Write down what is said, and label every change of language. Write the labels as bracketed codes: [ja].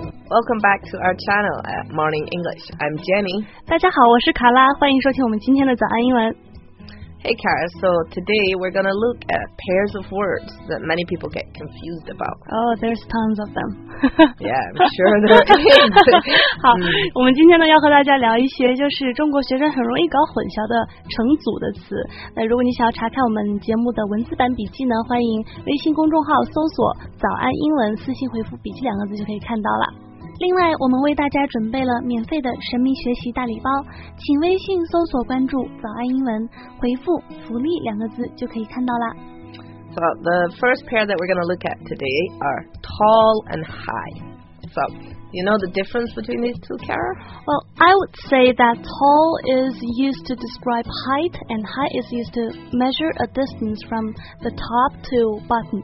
[en] Welcome back to our channel at Morning English. I'm Jenny. [zh] 大家好，我是卡拉，欢迎收听我们今天的早安英文。 [en] Hey, Kara. So today we're gonna look at pairs of words that many people get confused about. Oh, there's tons of them. Yeah, I'm sure there is. [zh] 好，我们今天呢要和大家聊一些就是中国学生很容易搞混淆的成组的词。那如果你想要查看我们节目的文字版笔记呢，欢迎微信公众号搜索“早安英文”，私信回复“笔记”两个字就可以看到了。另外，我们为大家准备了免费的神秘学习大礼包，请微信搜索关注“早安英文”，回复“福利”两个字就可以看到了。 [en] So the first pair that we're going to look at today are tall and high. So you know the difference between these two, Kara? Well, I would say that tall is used to describe height, and high is used to measure a distance from the top to bottom.